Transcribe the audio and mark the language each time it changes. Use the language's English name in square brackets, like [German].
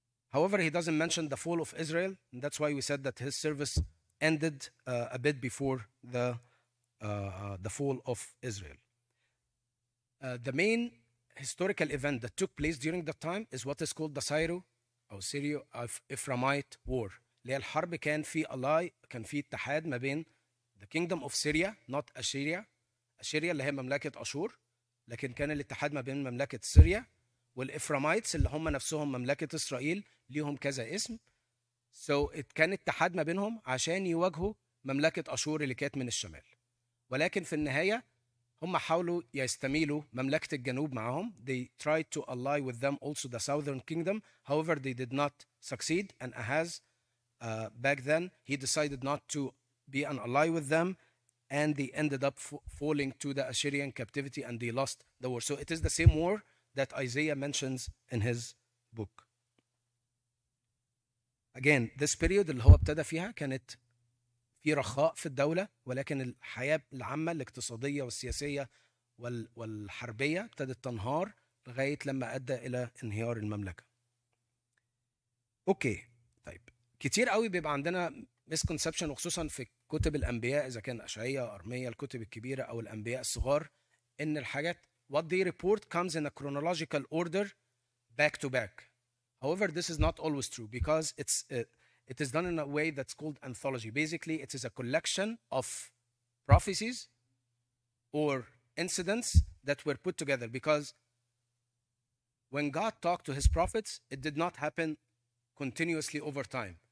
[English] However, he doesn't mention the fall of Israel. And that's why we said that his service ended a bit before the fall of Israel. The main historical event that took place during that time is what is called the Syro or Syro-Ephraimite War. [Arabic] الحرب كان في الله, كان في اتحاد ما بين [English] the kingdom of Syria, not Assyria. [Arabic] Assyria اللي هي مملكة أشور, لكن كان الاتحاد ما بين مملكة سوريا والإفرامايتس اللي هم نفسهم مملكة إسرائيل, ليهم كذا اسم. [English] So it [Arabic] كان اتحاد ما بينهم عشان يواجهوا مملكة أشور اللي كانت من الشمال. ولكن في النهاية هم حاولوا يستميلوا مملكة الجنوب معهم. [English] They tried to ally with them also the southern kingdom. However, they did not succeed. And Ahaz, back then, he decided not to be an ally with them. And they ended up falling to the Assyrian captivity and they lost the war. So it is the same war that Isaiah mentions in his book. Again, this period [Arabic] اللي هو ابتدى فيها كانت في رخاء في الدولة, ولكن الحياة العامة الاقتصادية والسياسية والحربية ابتدت تنهار لغاية لما أدى إلى انهيار المملكة. أوكي, طيب. كتير قوي بيبقى عندنا misconception, وخصوصا في كتب الأنبياء, إذا كان أشعياء, أرمية, الكتب الكبيرة أو الأنبياء الصغار, إن الحاجات [English] what they report comes in a chronological order back to back. However, this is not always true because it is done in a way that's called anthology. Basically, it is a collection of prophecies or incidents that were put together because when God talked to his prophets, it did not happen continuously over time.